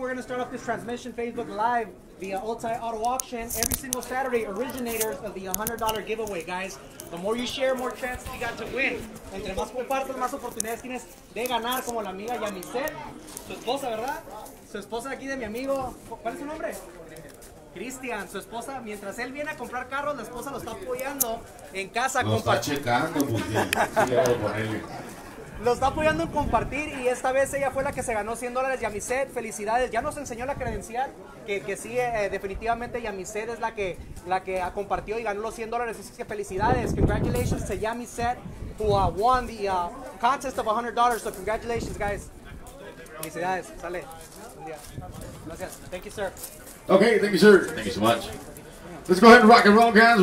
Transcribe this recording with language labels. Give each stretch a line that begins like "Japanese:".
English: We're going to start off this transmission Facebook Live via Otay Auto Auction. Every single Saturday, originators of the $100 giveaway, guys. The more you share, more chances you got to win.
Spanish: Entre más compartes, más oportunidades tienes de ganar, como la amiga Yamiset. Su esposa, ¿verdad? Su esposa aquí de mi amigo. ¿Cuál es su nombre? Cristian, su esposa. Mientras él viene a comprar carros, la esposa lo está apoyando en casa. Lo está checando, Sí, lo está apoyando en compartir, y esta vez ella fue la que se ganó $100. Yamiset, felicidades. Ya nos enseñó la credencial, que sí, definitivamente Yamiset es la que compartió y ganó los $100. Así que felicidades.
English: Congratulations to Yamiset, who won the contest of $100. So congratulations, guys.
Spanish: Felicidades. Sale. Buen día. Gracias.
English: Thank you, sir. Okay, thank you, sir. Thank you so much. Let's go ahead and rock and roll, guys.